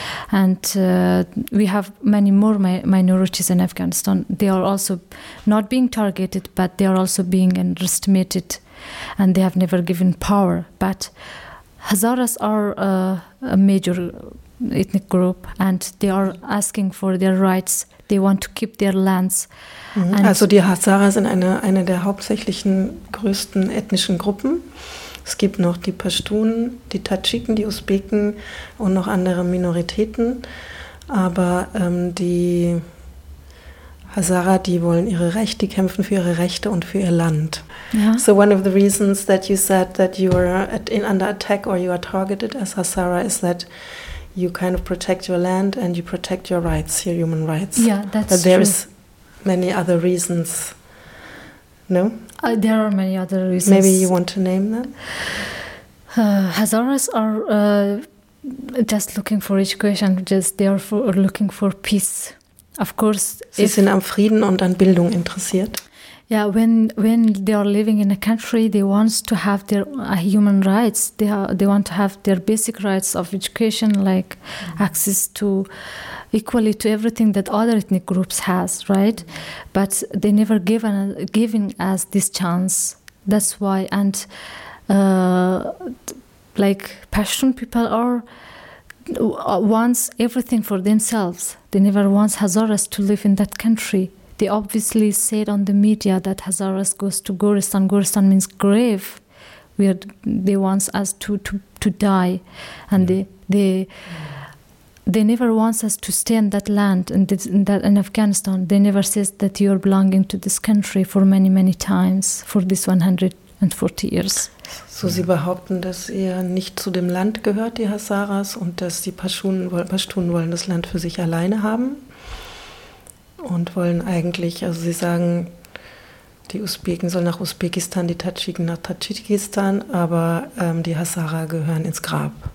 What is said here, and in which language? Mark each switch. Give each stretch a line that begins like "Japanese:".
English: And we have many more minorities in Afghanistan. They are also not being targeted, but they are also being underestimated, and they have never given power. But Hazaras are a major ethnic group, and they are asking for their rights. They want to keep their lands. Mhm.
German: Also die Hazara sind eine der hauptsächlichen größten ethnischen Gruppen. Es gibt noch die Pashtunen, die Tadschiken, die Usbeken und noch andere Minoritäten. Aber die Hazara, die wollen ihre Rechte, die kämpfen für ihre Rechte und für ihr Land. Ja.
English: So one of the reasons that you said that you are under attack or you are targeted as Hazara is that you kind of protect your land and you protect your rights, your human rights. Yeah, that's true. But there is many other reasons, no? There are many other reasons. Maybe you want to name them? Hazaras are just looking for education, looking for peace. Of course,
German: sie sind am Frieden und an Bildung interessiert.
English: Yeah, when they are living in a country, they want to have their human rights. They want to have their basic rights of education, like access to equally to everything that other ethnic groups has, right? But they never given us this chance. That's why. And like Pashtun people are wants everything for themselves. They never want Hazaras to live in that country. They obviously said on the media that Hazaras goes to Goristan. Goristan means grave, where they want us to die. And they never want us to stay in that land, in Afghanistan. They never says that you're belonging to this country for many, many times, for this 140 years.
German: So sie behaupten, dass ihr nicht zu dem Land gehört, die Hazaras, und dass die Pashtunen wollen das Land für sich alleine haben. Und wollen eigentlich, also sie sagen, die Usbeken sollen nach Usbekistan, die Tadschiken nach Tadschikistan, aber die Hazara gehören ins Grab.